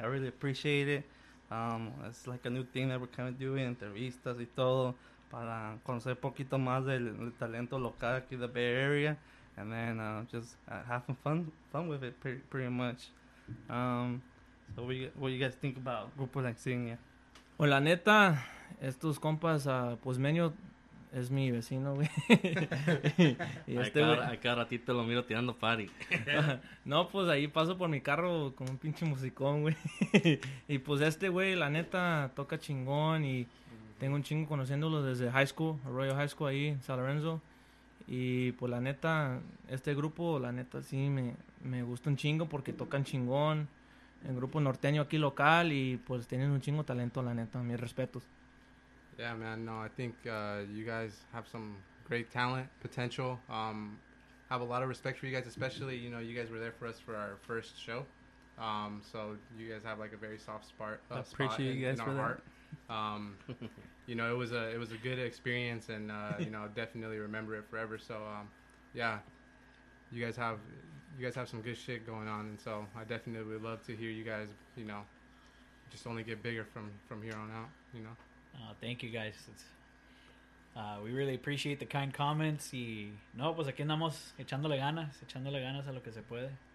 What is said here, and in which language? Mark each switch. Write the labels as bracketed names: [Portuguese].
[English] I really appreciate it. It's like a new thing that we're kind of doing, [Spanish] entrevistas y todo, para conocer poquito más del talento local aquí de Bay Area. [English] And then just having fun with it, pretty much. So what do you guys think about Grupo La Insignia? [Spanish] Well, la neta, estos compas, pues Meño es mi vecino, güey. Y este, güey, a cada ratito lo miro tirando party. No, pues ahí paso por mi carro con un pinche musicón, güey. Y pues este güey, la neta, toca chingón y tengo un chingo conociéndolo desde high school, Arroyo High School ahí en San Lorenzo. Y pues la neta, este grupo, la neta, sí, me gusta un chingo porque tocan chingón. El grupo norteño aquí local y pues tienen un chingo talento, la neta, mis respetos. [English] Yeah, man, no, I think you guys have some great talent, potential. Have a lot of respect for you guys, especially, you know, you guys were there for us for our first show. So you guys have like a very soft spot in our heart. You know, it was a good experience, and you know, definitely remember it forever. So you guys have some good shit going on, and so I definitely would love to hear you guys, you know, just only get bigger from here on out, you know. Thank you guys. We really appreciate the kind comments. [Spanish] Y no, pues aquí andamos echándole ganas a lo que se puede.